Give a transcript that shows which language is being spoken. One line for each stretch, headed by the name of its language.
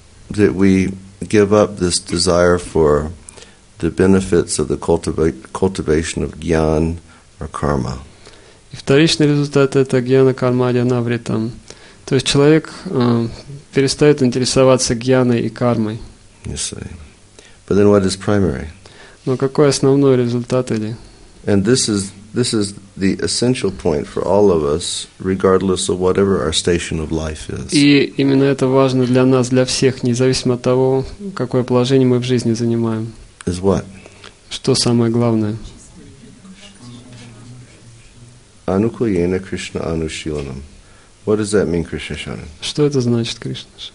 English: That we give up this desire for the benefits of the cultivation of jnana or karma.
Russian: И вторичный результат это
Sanskrit: jnana karmadi anavritam.
Russian: То есть человек перестает интересоваться jnаной и кармой.
English: You see. But then what is primary?
Russian: Но какой основной результат или?
English: And this is the essential point for all of us, regardless of whatever our station of life is.
Russian: И именно это важно для нас, для всех, независимо от того, какое положение мы в жизни занимаем.
English: Is what?
Russian: Что самое главное?
Sanskrit: Anukulyena Krishna Anushilanam.
English: What does that mean, Krishna Shonen?
Russian: Что это значит, Кришна?